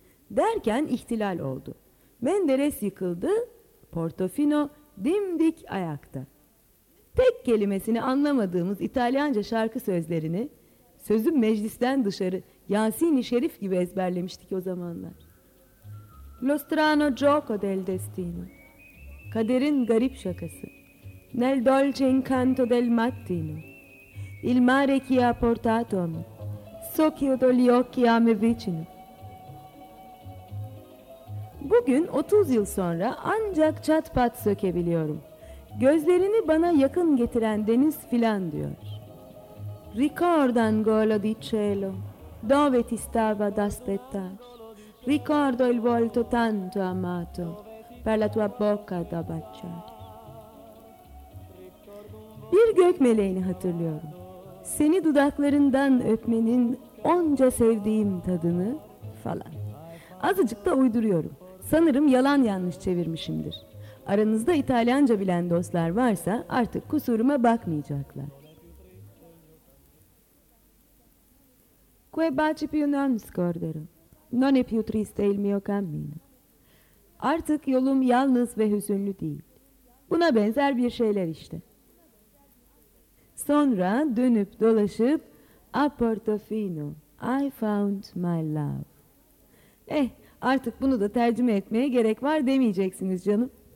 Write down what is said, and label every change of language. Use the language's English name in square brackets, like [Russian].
[Turkish] Derken ihtilal oldu. Menderes yıkıldı, Portofino dimdik ayakta. Tek kelimesini anlamadığımız İtalyanca şarkı sözlerini, sözüm meclisten dışarı Yasin-i Şerif gibi ezberlemiştik o zamanlar. [Italian] Lo strano gioco del destino, [Turkish] kaderin garip şakası, [Italian] nel dolce incanto del mattino, il mare che ha portato a me, socchio degli occhi a me vicino. [Turkish] Bugün 30 yıl sonra ancak çat pat sökebiliyorum. Gözlerini bana yakın getiren deniz filan diyor. [Italian] Ricordo angolo di cielo, dove ti stava ad aspettare. Ricordo il volto tanto amato, per la tua bocca da baciare. [Turkish] Bir gök meleğini hatırlıyorum. Seni dudaklarından öpmenin onca sevdiğim tadını falan. Azıcık da uyduruyorum. Sanırım yalan yanlış çevirmişimdir. Aranızda İtalyanca bilen dostlar varsa artık kusuruma bakmayacaklar. [Italian] Que baci più non scorderò, non è più triste il mio cammino. [Turkish] Artık yolum yalnız ve hüzünlü değil. Buna benzer bir şeyler işte. Sonra dönüp dolaşıp, a Portofino, [English] I found my love. [Turkish] Artık bunu da tercüme etmeye gerek var demeyeceksiniz canım.